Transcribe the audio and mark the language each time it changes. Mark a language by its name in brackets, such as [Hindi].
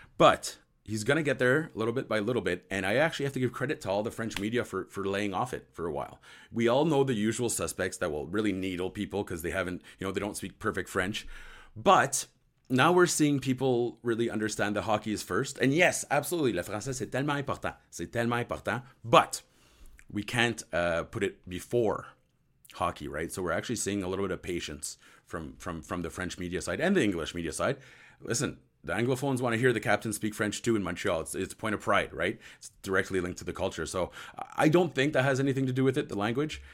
[English] But he's going to get there little bit by little bit. And I actually have to give credit to all the French media for laying off it for a while. We all know the usual suspects that will really needle people because they haven't, you know, they don't speak perfect French. But now we're seeing people really understand that hockey is first. And yes, absolutely, [French] le français, c'est tellement important. C'est tellement important. [English] But we can't put it before hockey, right? So we're actually seeing a little bit of patience from the French media side and the English media side. Listen, the Anglophones want to hear the captain speak French too in Montreal. It's a point of pride, right? It's directly linked to the culture. So I don't think that has anything to do with it, the language.